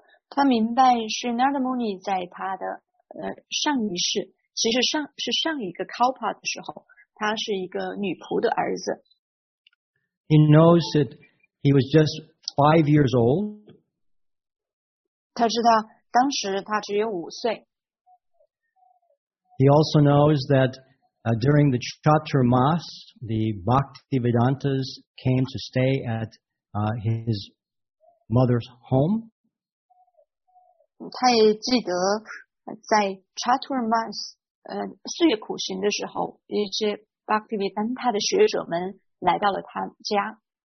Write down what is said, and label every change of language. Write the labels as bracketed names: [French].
[Chinese] 他明白 Sri Narada Muni 在他的上一世，其实是上一个 Kalpa 的时候，他是一个女仆的儿子。 [English] He knows that he was just 5 years old. [Chinese] 他知道当时他只有五岁。 [English] He also knows that during the Chaturmas, the Bhaktivedantas came to stay at his mother's home. [Chinese] 他也记得在 Chaturmas 四月苦行的时候，一些 Bhaktivedanta 的学者们来到了他家。